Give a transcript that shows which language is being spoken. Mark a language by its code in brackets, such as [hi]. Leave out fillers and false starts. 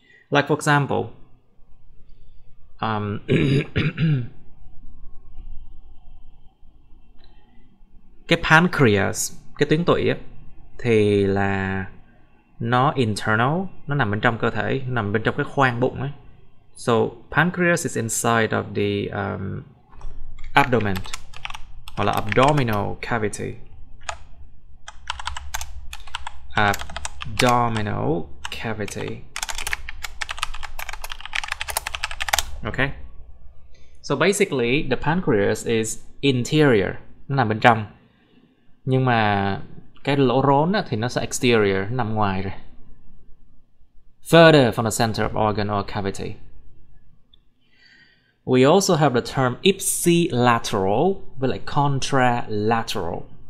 [vi] Like for example, cái pancreas, cái tuyến tụy á, thì là nó internal, nó nằm bên trong cơ thể, nằm bên trong cái khoang bụng ấy. [en] So pancreas is inside of the abdomen or the abdominal cavity. Abdominal cavity. Okay. So basically the pancreas is interior, [vi] nó nằm bên trong. Nhưng mà cái lỗ rốn á, thì nó sẽ exterior, nó nằm ngoài rồi. [en] Further from the center of organ or cavity. We also have the term ipsilateral with like contralateral.